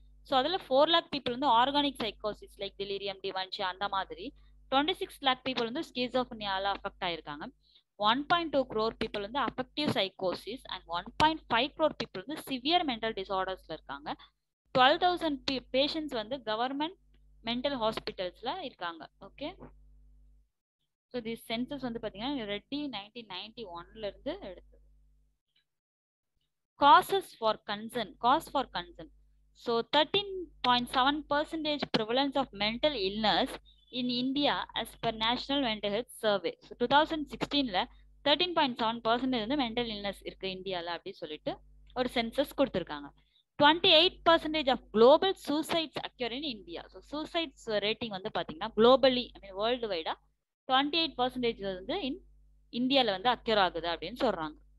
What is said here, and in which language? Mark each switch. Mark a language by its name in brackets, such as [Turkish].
[Tamil] So அதில் 4 lakh people வந்து organic சைக்கோசிஸ் like delirium dementia அந்த மாதிரி, 26 lakh பீப்புள் வந்து ஸ்கிசோஃப்ரெனியால அஃபெக்ட் ஆயிருக்காங்க, 1.2 crore பீப்புள் வந்து அஃபெக்டிவ் சைக்கோசிஸ் அண்ட் 1.5 crore பீப்புள் வந்து சிவியர் மென்டல் டிசார்டர்ஸில் இருக்காங்க, 12,000 பேஷண்ட்ஸ் வந்து கவர்மெண்ட் மென்டல் ஹாஸ்பிட்டல்ஸில் இருக்காங்க. ஓகே, ஸோ தி சென்சஸ் வந்து பார்த்தீங்கன்னா ரெட்டி 1991 எடுத்து. [English] Causes for concern. Cause for concern. So 13.7% prevalence of mental illness in India as per National Mental Health Survey. So 2016 la [Tamil] 13.7% வந்து mental illness இருக்கு இந்தியாவில் அப்படின்னு சொல்லிட்டு ஒரு சென்சஸ் கொடுத்துருக்காங்க. [English] 28% of global suicides occur in India. [Tamil] So suicides rating வந்து பார்த்தீங்கன்னா globally ஐ மீன் world வைடாக 28% வந்து இந்தியாவில் வந்து அக்யூர் ஆகுது அப்படின்னு சொல்கிறாங்க.